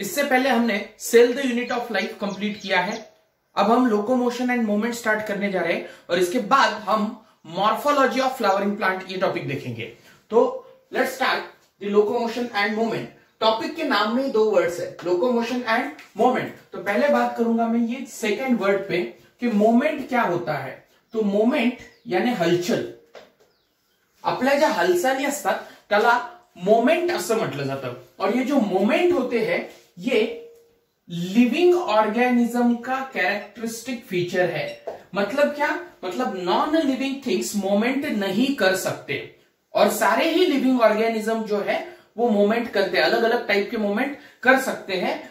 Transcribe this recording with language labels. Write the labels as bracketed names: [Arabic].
[Hindi] इससे पहले हमने cell the unit of life complete किया है, अब हम लोकोमोशन एंड मूवमेंट स्टार्ट करने जा रहे हैं और इसके बाद हम मॉर्फोलॉजी ऑफ फ्लावरिंग प्लांट ये टॉपिक देखेंगे। तो let's start the locomotion and movement. Topic के नाम में दो वर्ड्स है, लोकोमोशन एंड मोमेंट। तो पहले बात करूंगा मैं ये सेकेंड वर्ड पे कि मोमेंट क्या होता है। तो मोमेंट यानी हलचल, [Marathi] अपने ज्या हालचाली असतात त्याला मोमेंट असं म्हटलं जातं। [Hindi] और ये जो मोमेंट होते हैं ये लिविंग ऑर्गेनिज्म का कैरेक्टरिस्टिक फीचर है। मतलब क्या, मतलब नॉन लिविंग थिंग्स मोमेंट नहीं कर सकते और सारे ही लिविंग ऑर्गेनिज्म जो है वो मोमेंट करते हैं, अलग अलग टाइप के मोमेंट कर सकते हैं।